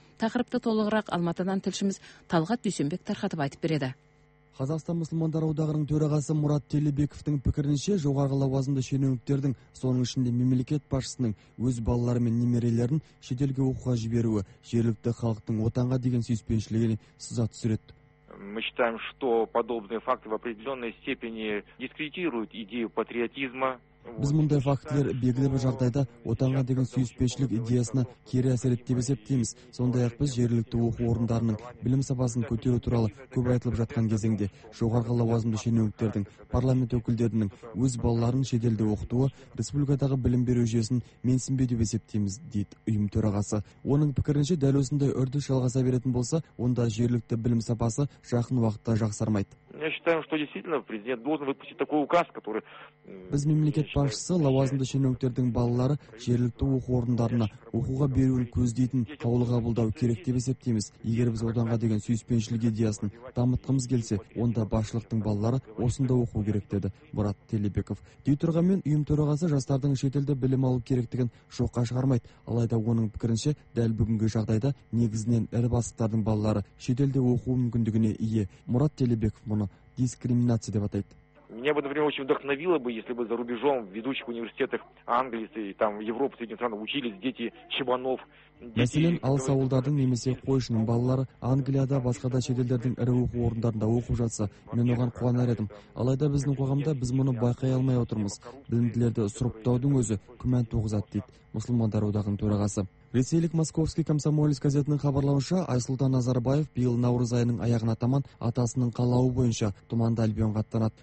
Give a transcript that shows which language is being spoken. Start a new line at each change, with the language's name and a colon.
Kazakh: Тақырыпты толығырақ Алматыдан тілшіміз Талғат Дүйсенбек тарқатып айтып береді. Қазақстан мұсылмандар одағының төрағасы Мұрат Телебековтің пікірінше жоғарғы лауазымды шенеуніктердің соның ішінде мемлекет басшысының өз балалары мен немерелерін шетелге оқуға жіберуі жергілікті халықтың отанға деген сүйіспеншілігіне сызат түсіреді.
Russian: Мы считаем, что подобные факты в определенной степени дискредитируют идею патриотизма.
Kazakh: Біз мұндай фактілер белгілі бір жағдайда отанға деген сүйіспеншілік идеясына кері әсер етті деп есептейміз. Сондай-ақ біз жергілікті оқу орындарының білім сапасын көтеру туралы көп айтылып жатқан кезеңде жоғарғы лауазымды шенеуніктердің парламент өкілдерінің өз балаларын шетелде оқытуы республикадағы білім беру жүйесін менсінбеу деп есептейміз, дейді ұйым төрағасы. Оның пікірінше дәл осындай үрдіс жалғаса беретін болса, онда жергілікті білім сапасы жақын уақытта жақсармайды.
Russian: Я считаю, что действительно президент должен выпустить такой указ, который
Kazakh: Біз мемлекет басшысы лауазымды шенеуніктердің балалары жергілікті оқу орындарына оқуға беруін көздейтін қаулы қабылдау керек деп есептейміз. Егер біз отанға деген сүйіспеншілік идеясын дамытқымыз келсе, онда басшылықтың балалары осында оқу керек, деді Мұрат Телебеков. Дейтұрғанмен ұйым төрағасы жастардың шетелде білім алу керектігін жоққа шығармайды. Алайда оның пікірінше, дәл бүгінгі жағдайда негізінен ірі бастықтардың балалары шетелде оқу мүмкіндігіне ие. Мұрат Телебеков мұны дискриминация деп атайды.
Russian: Меня бы, например, очень вдохновило бы, если бы за рубежом в ведущих университетах Англии, там, Европы, среди стран учились дети чебанов.
Kazakh: Мәселен, алыс ауылдардың немесе қойшының балалары Англияда басқа да шетелдердің ірі оқу орындарында оқып жатса, мен оған қуанар едім. Алайда біздің қоғамда біз мұны байқай алмай отырмыз. Білімділерді сұрыптаудың өзі күмән туғызады, дейді мұсылмандар одағының төрағасы. Ресейлік Московский комсомолист газетінің хабарлауынша, Айсұлтан Назарбаев биыл наурыз айының аяғына таман атасының қалауы бойынша Тұманды Альбионға аттанады.